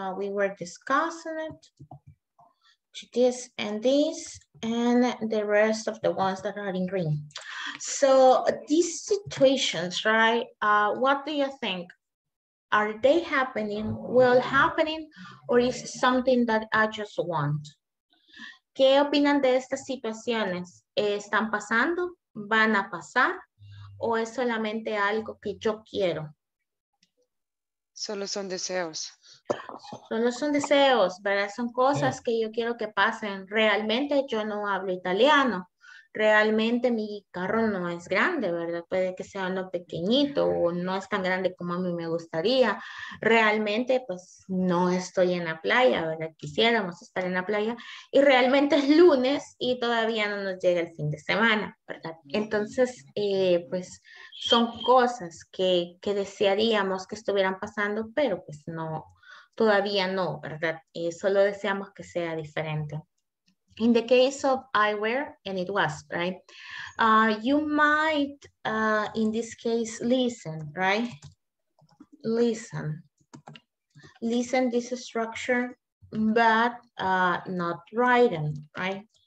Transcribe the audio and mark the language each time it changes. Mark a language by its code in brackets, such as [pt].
[en] We were discussing it. To this, and the rest of the ones that are in green. So these situations, right? What do you think? Are they happening, will happening, or is something that I just want? [es] ¿Qué opinan de estas situaciones? ¿Están pasando, van a pasar, o es solamente algo que yo quiero? Solo son deseos. Solo son deseos, ¿verdad? Son cosas que yo quiero que pasen. Realmente yo no hablo italiano. Realmente mi carro no es grande, ¿verdad? Puede que sea uno pequeñito o no es tan grande como a mí me gustaría. Realmente, pues, no estoy en la playa, ¿verdad? Quisiéramos estar en la playa. Y realmente es lunes y todavía no nos llega el fin de semana, ¿verdad? Entonces, pues, son cosas que desearíamos que estuvieran pasando, pero pues no, todavía no, ¿verdad? Solo deseamos que sea diferente. [en] In the case of I were and it was, right? You might, in this case, listen, right? Listen. Listen this structure, but not writing, right?